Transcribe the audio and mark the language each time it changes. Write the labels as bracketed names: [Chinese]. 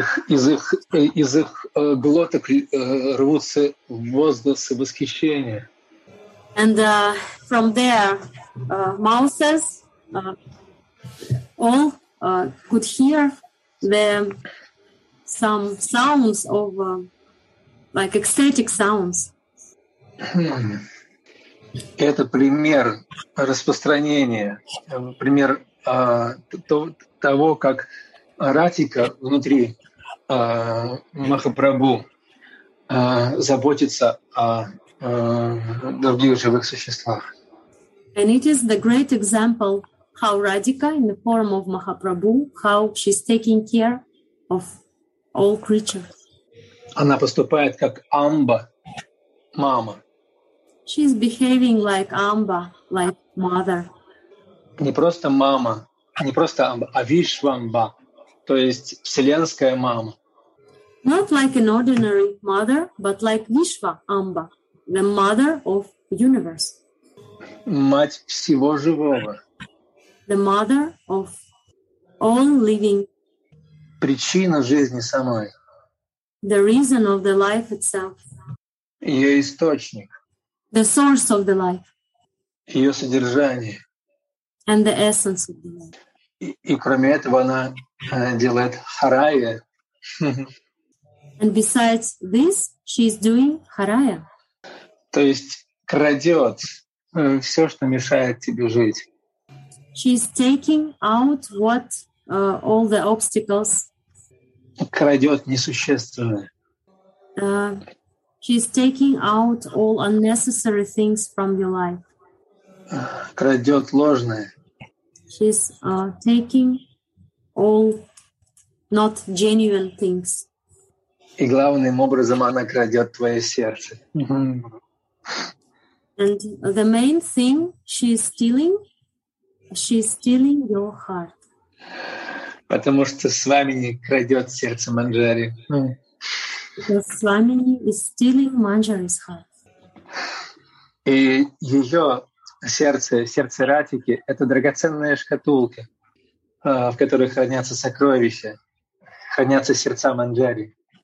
[Russian] Из их глоток рвутся возгласы восхищения. [English] And from their mouths, all could hear the some sounds of like ecstatic sounds. [Russian] Это пример распространения, пример того, как Ратика внутри Махапрабху заботится о других живых существах. [English] And it is the great example how Radhika in the form of Mahaprabhu, how she's taking care of all creatures. [Russian] Она поступает как Амба, мама. [English] She's behaving like Amba, like mother. [Russian] Не просто мама, не просто Амба, а Вишвамба, то есть вселенская мама. [English] Not like an ordinary mother, but like Vishva Amba, the mother of universe. [Russian] Мать всего живого. [English] The mother of all living. [Russian] Причина жизни самой. [English] The reason of the life itself. [Russian] Ее источник. [English] The source of the life. [Russian] Ее содержание. [English] And the essence of the life. [Russian] И кроме этого она делает харая. [English] And besides this, she is doing харая. [Russian] То есть крадет все, что мешает тебе жить. [English] She is taking out what all the obstacles. [Russian] Крадет несущественное. [English] She's taking out all unnecessary things from your life. [Russian] Крадет ложное. [English] She's taking all not genuine things. [Russian] И главным образом она крадет твое сердце. [English] And the main thing she's stealing your heart. [Russian] Потому что Свамини крадет сердце Манджари. [English] Because Swamini is stealing Manjari's heart. [Russian] И ее сердце Ратики — это драгоценная шкатулка, в которой хранятся сокровища, хранятся сердца Манджари.